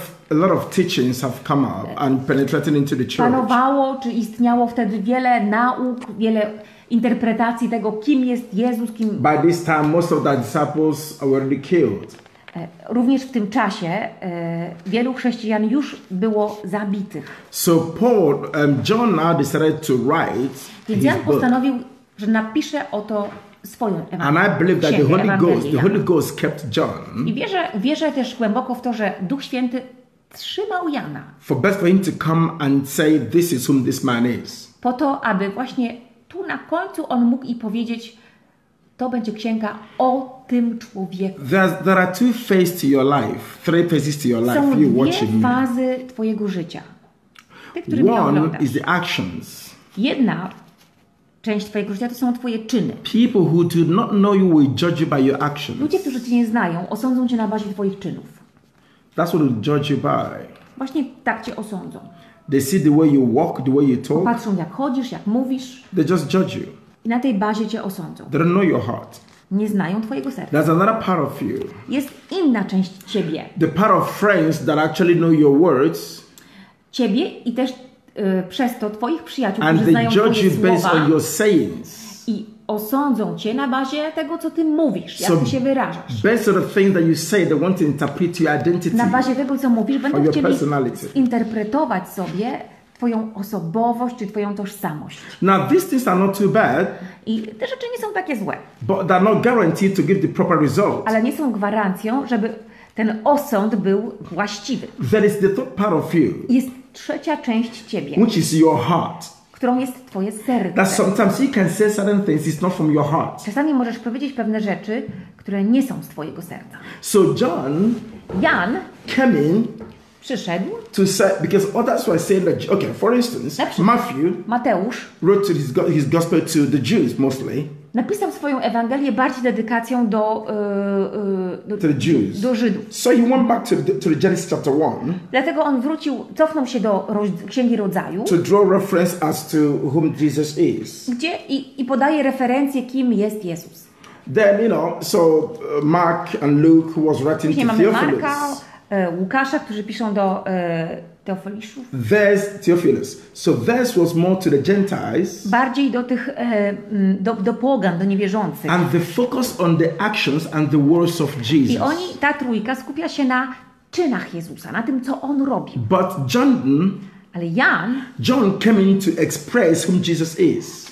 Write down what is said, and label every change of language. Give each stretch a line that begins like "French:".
English: A lot of teachings have come up and penetrated into the church.
Polish: Panowało, czy istniało wtedy wiele nauk, wiele interpretacji tego, kim jest Jezus, kim.
English: By this time, most of the disciples were already killed.
Polish: Również w tym czasie wielu chrześcijan już było zabitych.
English: So Paul, John now decided to write his book.
Polish: Więc Jan postanowił, że napisze o to swoją Ewangelię.
English: And I believe that the Holy Ghost kept John.
Polish: I wierzę też głęboko w to, że Duch Święty trzymał Jana.
English: For best for him to come and say, this is whom this man is.
Polish: Po to, aby właśnie tu na końcu on mógł i powiedzieć, to będzie księga o tym człowieku.
English: There are two phases to your life. Three phases to your life.
Polish: Są dwie fazy twojego życia. Te, które mnie oglądasz.
English: One is the actions.
Polish: Jedna część twojego życia to są twoje czyny.
English: People who do not know you will judge you by your actions.
Polish: Ludzie, którzy cię nie znają, osądzą cię na bazie twoich czynów.
English: That's what they judge you by.
Polish: Właśnie tak cię osądzą.
English: They see the way you walk, the way you talk.
Polish: Patrzą, jak chodzisz, jak mówisz.
English: They just judge you.
Polish: I na tej bazie cię osądzą.
English: They don't know your heart.
Polish: Nie znają twojego serca.
English: There's another part of you.
Polish: Jest inna część ciebie.
English: The part of friends that actually know your words.
Polish: Ciebie i też przez to twoich przyjaciół,
English: and
Polish: którzy znają
English: they judge
Polish: twoje
English: you based
Polish: słowa.
English: On your sayings.
Polish: I osądzą cię na bazie tego, co ty mówisz, jak ty się wyrażasz.
English: Based on the things that you say, they want to interpret your identity.
Polish: Na bazie tego, co mówisz, będą chcieli interpretować sobie twoją osobowość czy twoją tożsamość.
English: Now these things are not too bad.
Polish: I te rzeczy nie są takie złe.
English: But they're not guaranteed to give the proper result.
Polish: Ale nie są gwarancją, żeby ten osąd był właściwy.
English: There is the third part of you.
Polish: Jest trzecia część ciebie.
English: Which is your heart.
Polish: Którą jest twoje serce.
English: That sometimes you can say certain things, it's not from your heart.
Polish: Czasami możesz powiedzieć pewne rzeczy, które nie są z twojego serca.
English: So John.
Polish: Jan.
English: Came in.
Polish: Przyszedł.
English: To say, because others were saying that, okay, for instance, Matthew
Polish: Mateusz
English: wrote to his gospel to the Jews mostly.
Polish: Napisał swoją Ewangelię bardziej dedykacją
English: to the Jews.
Polish: Do Żydów.
English: So he went back to the Genesis chapter 1.
Polish: Dlatego on wrócił, cofnął się do Księgi Rodzaju.
English: To draw reference as to whom Jesus is.
Polish: Gdzie i podaje referencję, kim jest Jezus.
English: Then, you know, so Mark and Luke was writing
Polish: później
English: to Theophilus.
Polish: Marka, Łukasza, którzy piszą do Teofiliszów.
English: There's Theophilus. So this was more to the Gentiles.
Polish: Bardziej do tych do pogan, do niewierzących.
English: And the focus on the actions and the words of Jesus.
Polish: I oni, ta trójka skupia się na czynach Jezusa, na tym, co on robi.
English: But John.
Polish: Ale Jan.
English: John came in to express whom Jesus is.